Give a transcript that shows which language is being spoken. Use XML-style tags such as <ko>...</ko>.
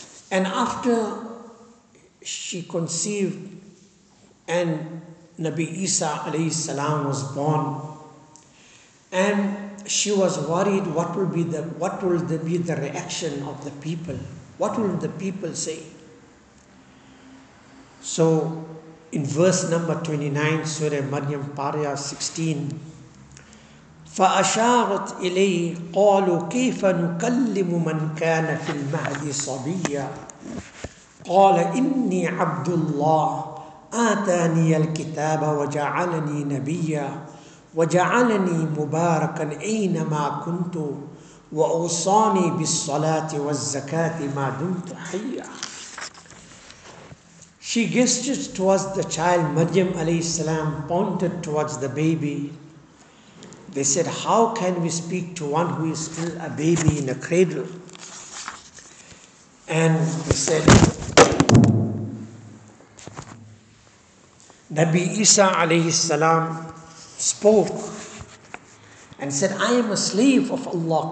<en>And after she conceived and Nabi Isa alayhi salam was born, and she was worried what will be the reaction of the people, what will the people say. So in verse number 29 Surah Maryam Pariah 16,</en> <ar>فَأَشَارَتْ إِلَيْهِ قَالُوا كَيْفَ نُكَلِّمُ مَنْ كَانَ فِي الْمَهْدِ صَبِيًّا قَالَ إِنِّي عَبْدُ اللَّهِ آتَانِيَ الْكِتَابَ وَجَعَلَنِي نَبِيًّا وَجَعَلَنِي مُبَارَكًا أَيْنَمَا كُنْتُ وَأُوصَانِي بِالصَّلَاةِ وَالزَّكَاةِ مَا دُمْتُ حَيًّا.</ar> <en>She gestured towards the child Maryam alayhi salam, pointed towards the baby. They said, how can we speak to one who is still a baby in a cradle? And they said, Nabi Isa alayhi salam spoke and said, I am a slave of Allah.</en>